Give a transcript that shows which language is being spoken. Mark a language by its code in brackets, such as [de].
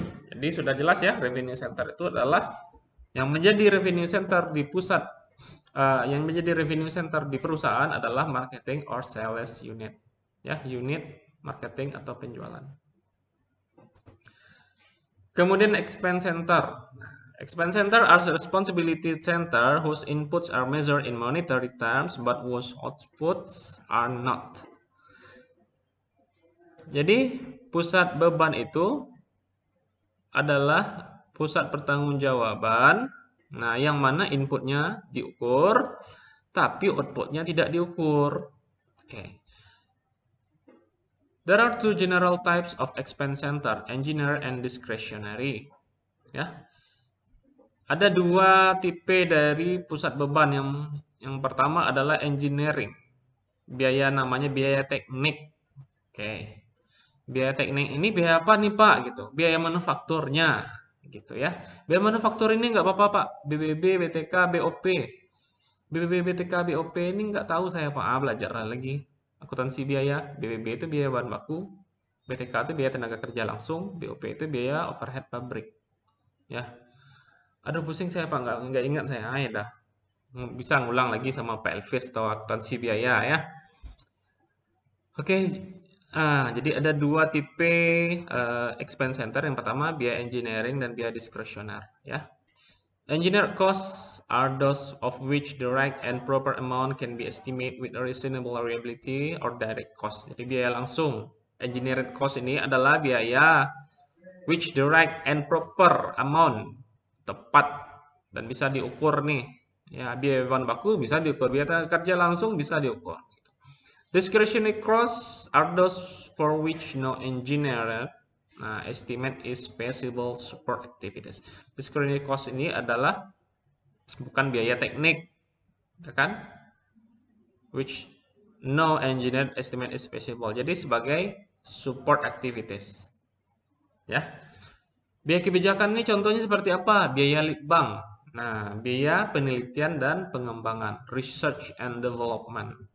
[id] Jadi sudah jelas ya, revenue center itu adalah yang menjadi revenue center di pusat, yang menjadi revenue center di perusahaan adalah [en] marketing or sales unit, [id] ya, unit marketing atau penjualan. Kemudian expense center. [en] Expense center are the responsibility center whose inputs are measured in monetary terms but whose outputs are not. [id] Jadi, pusat beban itu adalah pusat pertanggungjawaban. Nah, yang mana inputnya diukur, tapi outputnya tidak diukur. [en] Okay. There are two general types of expense center, engineer and discretionary. [id] Ya. Ada dua tipe dari pusat beban. Yang pertama adalah engineering. Biaya namanya biaya teknik. Oke. Okay. Biaya teknik ini biaya apa nih, Pak? Gitu. Biaya manufakturnya. Gitu ya. Biaya manufaktur ini nggak apa-apa, Pak. BBB, BTK, BOP. BBB, BTK, BOP ini nggak tahu saya, Pak. Ah, belajar lagi. Akuntansi biaya. BBB itu biaya bahan baku. BTK itu biaya tenaga kerja langsung. BOP itu biaya overhead pabrik. Ya. Aduh, pusing saya, Pak. Nggak ingat saya. Ah, ya dah. Bisa ngulang lagi sama Pak Elvis atau akuntansi biaya, ya. Oke. Jadi ada dua tipe expense center. Yang pertama biaya engineering dan biaya diskresioner. Ya. [en] Engineer costs are those of which the right and proper amount can be estimated with a reasonable reliability or direct cost. [id] Jadi biaya langsung. Engineering cost ini adalah biaya [en] which the right and proper amount [id] tepat dan bisa diukur nih. Ya, biaya bahan baku bisa diukur, biaya kerja langsung bisa diukur. [en] Discretionary costs are those for which no engineer estimate is feasible support activities. [id] Discretionary cost ini adalah bukan biaya teknik, kan? [en] Which no engineer estimate is feasible. [id] Jadi sebagai [en] support activities. [id] Ya. Biaya kebijakan ini contohnya seperti apa? Biaya litbang. Nah, biaya penelitian dan pengembangan, [en] research and development.